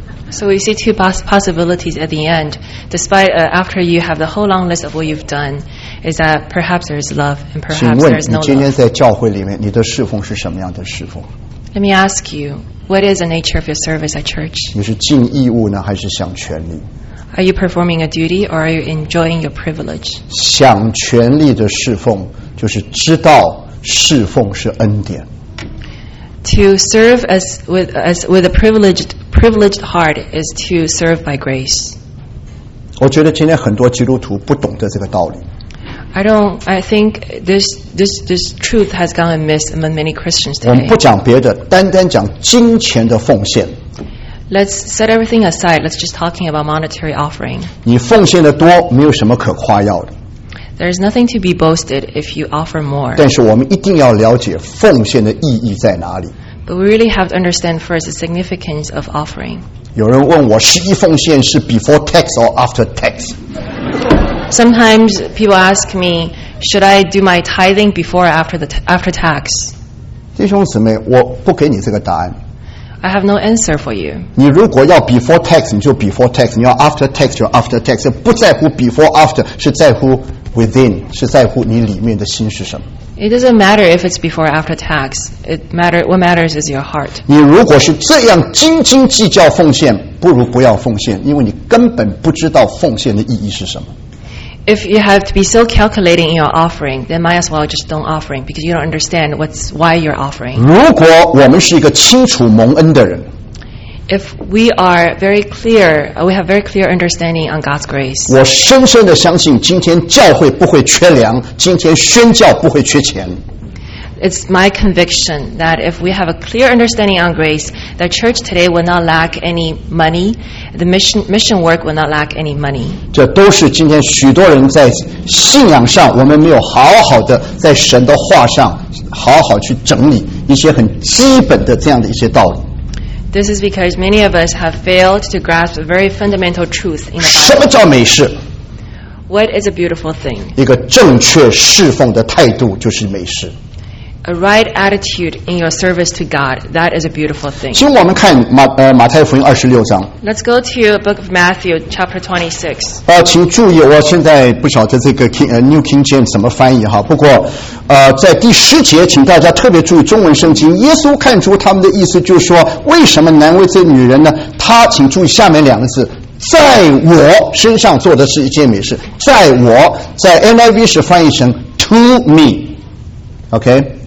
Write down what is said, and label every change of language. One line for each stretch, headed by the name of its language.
English: So we see two possibilities at the end. Despite after you have the whole long list of what you've done, is that perhaps there is love and perhaps there is no love.
Chinese: 请问你今天在教会里面，你的侍奉是什么样的侍奉？
English: Let me ask you, what is the nature of your service at church?
Chinese: 你是尽义务呢，还是享权利？
English: Are you performing a duty or are you enjoying your privilege?
Chinese: 享权利的侍奉就是知道侍奉是恩典。
English: to serve with a privileged heart is to serve by grace.
Chinese: 我觉得今天很多基督徒不懂得这个道理。
English: I think this truth has gone amiss among many Christians today.
Chinese: 我们不讲别的，单单讲金钱的奉献。
English: Let's set everything aside. Let's just talking about monetary offering.
Chinese: 你奉献的多，没有什么可夸耀的。
English: There is nothing to be boasted if you offer more.
Chinese: 但是我们一定要了解奉献的意义在哪里。
English: But we really have to understand first the significance of offering.
Chinese: 有人问我，十一奉献是
English: before tax or after tax? Sometimes people ask me, should I do my tithing before or after tax?
Chinese: 弟兄姊妹，我不给你这个答案。
English: I have no answer for you.
Chinese: 你如果要
English: before tax,
Chinese: 你就 before tax, 你要
English: after tax,
Chinese: 就 after tax, 不在乎
English: before after,
Chinese: 是在乎
English: within,
Chinese: 是在乎你里面的心是什么。
English: It doesn't matter if it's before or after tax. What matters is your heart.
Chinese: 你如果是这样斤斤计较奉献，不如不要奉献，因为你根本不知道奉献的意义是什么。
English: If you have to be so calculating in your offering, then might as well just don't offering because you don't understand why you're offering.
Chinese: 如果我们是一个清楚蒙恩的人，
English: If we are very clear, we have very clear understanding on God's grace.
Chinese: 我深深地相信今天教会不会缺粮，今天宣教不会缺钱。
English: It's my conviction that if we have a clear understanding on grace, the church today will not lack any money, the mission work will not lack any money.
Chinese: 这都是今天许多人在信仰上，我们没有好好的在神的话上好好去整理一些很基本的这样的一些道理。
English: This is because many of us have failed to grasp a very fundamental truth in the Bible.
Chinese: 什么叫美事？
English: What is a beautiful thing?
Chinese: 一个正确侍奉的态度就是美事。
English: A right attitude in your service to God, that is a beautiful thing.
Chinese: 请我们看马太福音二十六章。
English: Let's go to the book of Matthew, chapter 26.
Chinese: 请注意，我现在不晓得这个 New King James 怎么翻译哈。不过，在第十节，请大家特别注意中文圣经。耶稣看出他们的意思，就是说，为什么难为这女人呢？他请注意下面两个字。在我身上做的是一件美事，在我，在 NIV 是翻译成
English: to me，
Chinese: OK，